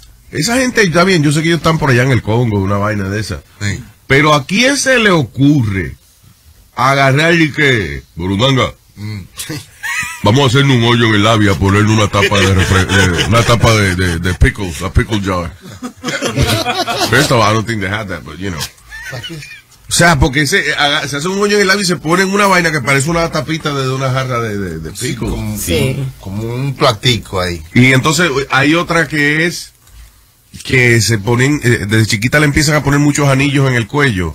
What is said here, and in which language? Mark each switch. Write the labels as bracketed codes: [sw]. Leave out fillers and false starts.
[es] Esa gente está bien, yo sé que ellos están por allá en el Congo, una vaina de esa. Sí. Pero ¿a quién se le ocurre agarrar y que, Burundanga? Vamos a hacerle un hoyo en el labio, a ponerle una tapa de pickles, [en] a pickle jar. First of all, I don't think they had that, but you know. [es] O sea, porque se hace un hoyo en el labio y se pone una vaina que parece una tapita de una jarra de pickles. Sí. Como un platico ahí. Y entonces hay otra que es que se ponen, desde chiquita le empiezan a poner muchos anillos en el cuello.